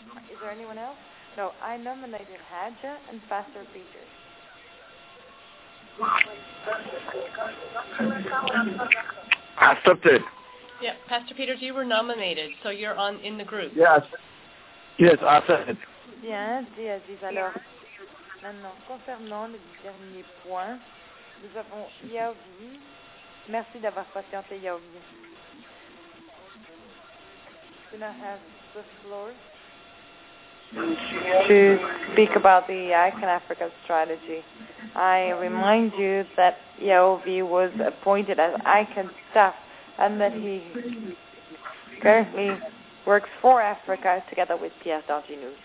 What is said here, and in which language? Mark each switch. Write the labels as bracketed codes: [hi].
[en] Is there anyone else? No, I nominated Hadja and Pastor Peters. Accepted. Yeah, Pastor Peters, you were nominated, so you're on in the group. Yes. Yes, accepted. [fr] Bien, dis alors. Maintenant, concernant le dernier point, nous avons Yaobi. Merci d'avoir patienté, Yaobi. [en] Can I have the floor to speak about the ICANN Africa strategy? I remind you that Yaobi was appointed as ICANN staff and that he currently works for Africa together with Pierre Dardinou.